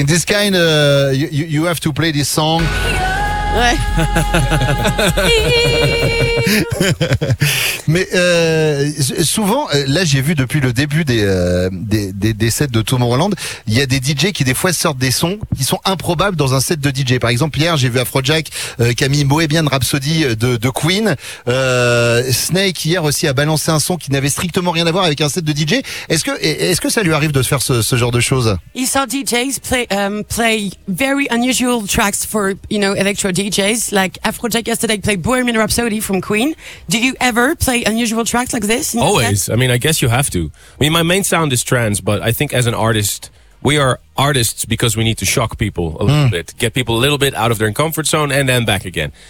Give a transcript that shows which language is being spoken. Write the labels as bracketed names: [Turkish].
[English] In this kind, you have to play this song. [French] Ouais. Mais souvent, là j'ai vu depuis le début des sets de Tomorrowland, il y a des DJ qui des fois sortent des sons qui sont improbables dans un set de DJ. Par exemple, hier j'ai vu Afrojack qui a mis Bohemian Rhapsody de Queen. Snake hier aussi a balancé un son qui n'avait strictement rien à voir avec un set de DJ. Est-ce que ça lui arrive de faire ce genre de choses? [English] He saw DJs play very unusual tracks for, you know, electro DJs, like Afrojack yesterday played Bohemian Rhapsody from Queen. Do you ever play unusual tracks like this? Always. I mean, I guess you have to. I mean, my main sound is trance, but I think as an artist, we are artists because we need to shock people a little bit, get people a little bit out of their comfort zone and then back again.